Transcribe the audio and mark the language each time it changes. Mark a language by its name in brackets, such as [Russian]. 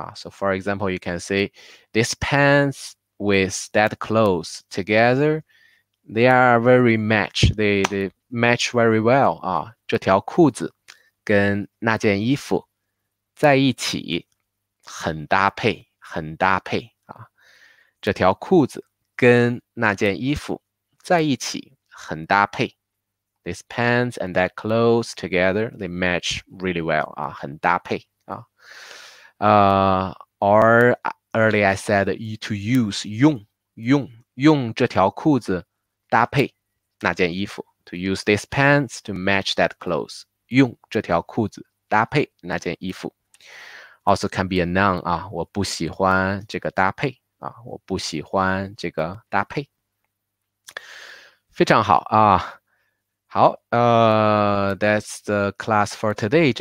[English] So for example, you can say, this pants with that clothes together, they are very match, they match very well. [Chinese] 这条裤子跟那件衣服在一起。很搭配，很搭配啊！这条裤子跟那件衣服在一起很搭配。 [English] These pants and that clothes together, they match really well. [Chinese] 啊，很搭配啊。 [English] Or earlier I said to use [Chinese] 用这条裤子搭配那件衣服。 [English] To use these pants to match that clothes. [Chinese] 用这条裤子搭配那件衣服。 [English] Also can be a noun [Chinese] 啊，我不喜欢这个搭配啊，我不喜欢这个搭配。非常好啊，好， [English] that's the class for today.